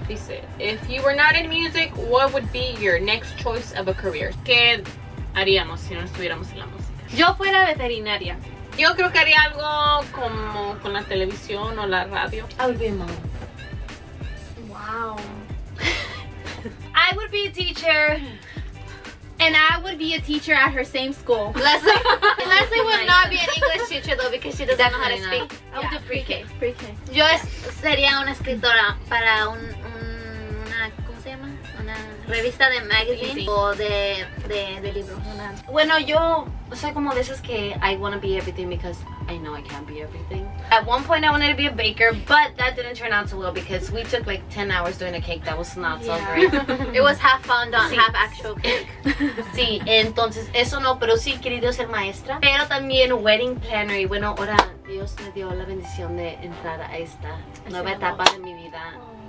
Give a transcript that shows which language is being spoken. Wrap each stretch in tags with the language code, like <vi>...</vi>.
<en>Dice, if you were not in music, what would be your next choice of a career?</en> <es>¿Qué haríamos si no estuviéramos en la música? Yo fuera veterinaria. Yo creo que haría algo como con la televisión o la radio.</es> <en>I would be a mom. Wow. I would be a teacher. And I would be a teacher at her same school. Leslie would not be an English teacher though because she doesn't know how to speak. I would do pre-K.</en> <es>Yo sería una escritora para una, ¿cómo se llama? Una revista de magazine o de libros. Bueno, yo soy como de esas que</es> <en>I want to be everything because I know I can't be everything. At one point I wanted to be a baker, but that didn't turn out so well because we took like 10 hours doing a cake that was not so great. It was half fondant, half actual cake.</en> <es>Sí, entonces eso no, pero sí quería ser maestra. Pero también wedding planner. Y bueno, ahora Dios me dio la bendición de entrar a esta nueva etapa de mi vida.</es>